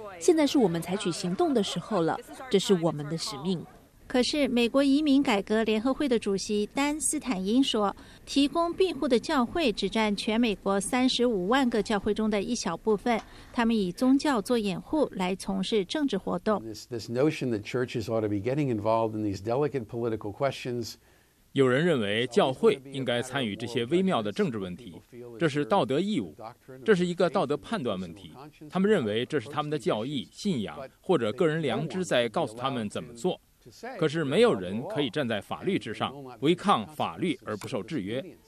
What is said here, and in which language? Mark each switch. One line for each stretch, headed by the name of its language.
Chinese: 现在是我们采取行动的时候了，这是我们的使命。可是美国移民改革联合会的主席丹·斯坦因说，提供庇护的教会只占全美国35万个教会中的一小部分，他们以宗教做掩护来从事政治活动。
English: This notion that churches ought to be getting involved in these delicate political questions，
Chinese: 有人认为教会应该参与这些微妙的政治问题，这是道德义务，这是一个道德判断问题，他们认为这是他们的教义、信仰或者个人良知在告诉他们怎么做。可是没有人可以站在法律之上，违抗法律而不受制约。